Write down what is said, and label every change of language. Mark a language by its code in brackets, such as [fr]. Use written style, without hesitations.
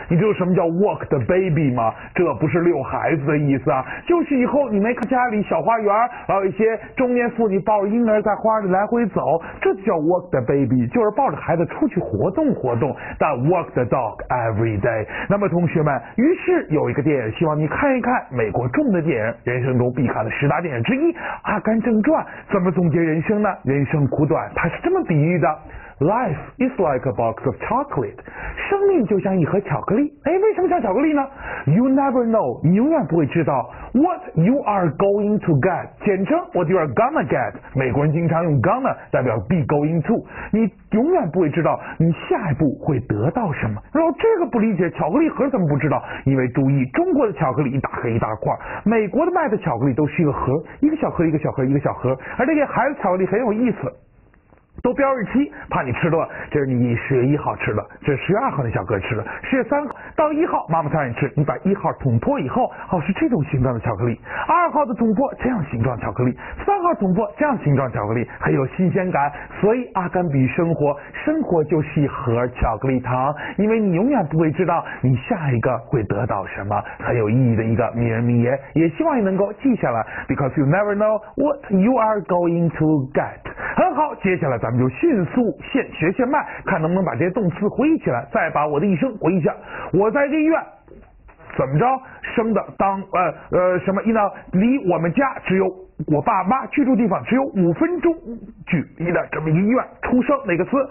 [zh] 你知道什么叫 [en] walk the baby [zh] 吗？这不是遛孩子的意思啊，就是以后你没看家里小花园，还有一些中年妇女抱着婴儿在花里来回走，这叫 walk the baby， 就是抱着孩子出去活动活动。但 [en] walk the dog every day。 [zh] 那么同学们，于是有一个电影，希望你看一看，美国著名的电影，人生中必看的十大电影之一《阿甘正传》。怎么总结人生呢？人生苦短，它是这么比喻的。 [en] Life is like a box of chocolate， [zh] 生命就像一盒巧克力。哎，为什么像巧克力呢？ [en] You never know， [zh] 你永远不会知道 [en] what you are going to get， [zh] 简称 [en] what you are gonna get， [zh] 美国人经常用 gonna 代表 [en] be going to， [zh] 你永远不会知道你下一步会得到什么。然后这个不理解，巧克力盒怎么不知道？因为注意，中国的巧克力一大盒一大块，美国的卖的巧克力都是一个盒，一个小盒一个小盒一个小盒，而这些孩子巧克力很有意思，都标日期，怕你吃多了。这是你十月一号吃的，这是十月二号那小哥吃的，十月三号到一号妈妈才让你吃，你把一号捅破以后，哦，是这种形状的巧克力，二号的捅破这样形状巧克力，三号捅破这样形状巧克力，很有新鲜感。所以阿甘比生活，生活就是一盒巧克力糖，因为你永远不会知道你下一个会得到什么，很有意义的一个名人名言，也希望你能够记下来。 [en] Because you never know what you are going to get。 [zh] 很好，接下来咱们就迅速现学现卖，看能不能把这些动词回忆起来，再把我的一生回忆一下。我在这医院怎么着生的，当什么医呢？离我们家只有我爸妈居住地方只有五分钟距离的这么医院出生，哪个词？